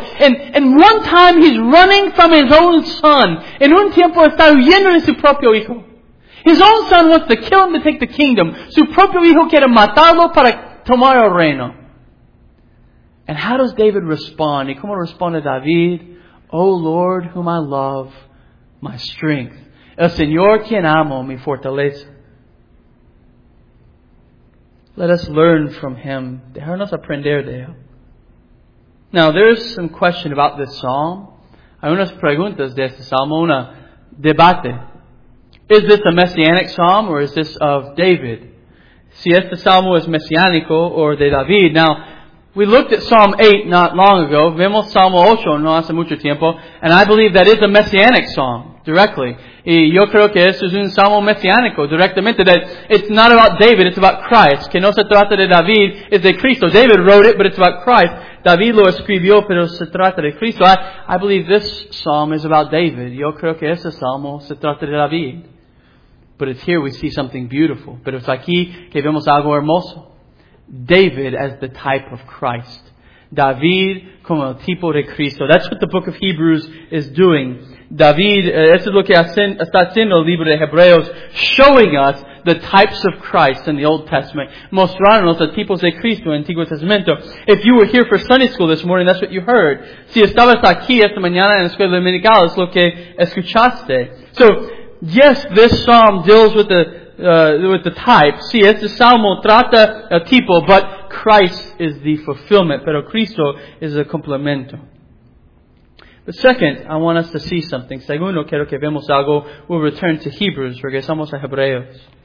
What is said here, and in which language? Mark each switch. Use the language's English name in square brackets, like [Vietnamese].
[English] And one time he's running from his own son. [Spanish] En un tiempo está huyendo de su propio hijo. [English] His own son wants to kill him to take the kingdom. [Spanish] Su propio hijo quiere matarlo para tomar el reino. [English] And how does David respond? [Spanish] ¿Y cómo responde David? [English] Oh Lord, whom I love, my strength. [Spanish] El Señor quien amo, mi fortaleza. [English] Let us learn from him. [Spanish] Déjanos aprender de él. [English] Now, there's some question about this psalm. [Spanish] Hay unas preguntas de este salmo, una debate. [English] Is this a messianic psalm or is this of David? [Spanish] Si este salmo es mesiánico or de David. [English] Now, we looked at Psalm 8 not long ago. [Spanish] Vemos Salmo 8 no hace mucho tiempo. [English] And I believe that is a messianic psalm directly. [Spanish] Y yo creo que es un salmo mesiánico directamente. [English] That it's not about David, it's about Christ. [Spanish] Que no se trata de David, es de Cristo. [English] David wrote it, but it's about Christ. [Spanish] David lo escribió, pero se trata de Cristo. [English] I believe this psalm is about David. [Spanish] Yo creo que este salmo se trata de David. [English] But it's here we see something beautiful. [Spanish] Pero es aquí que vemos algo hermoso. [English] David as the type of Christ. [Spanish] David como el tipo de Cristo. [English] That's what the book of Hebrews is doing. [Spanish] David, eso es lo que está haciendo el libro de Hebreos, [English] showing us the types of Christ in the Old Testament. [Spanish] Mostrándonos los tipos de Cristo en el Antiguo Testamento. [English] If you were here for Sunday School this morning, that's what you heard. [Spanish] Si estabas aquí esta mañana en la escuela dominical, es lo que escuchaste. [English] So, yes, this psalm deals with the type. [Spanish] Sí, este salmo trata el tipo, [English] but Christ is the fulfillment. [Spanish] Pero Cristo [English] is the complemento. But second, I want us to see something. [Spanish] Segundo, quiero que vemos algo. [English] We'll return to Hebrews. [Spanish] Regresamos a Hebreos.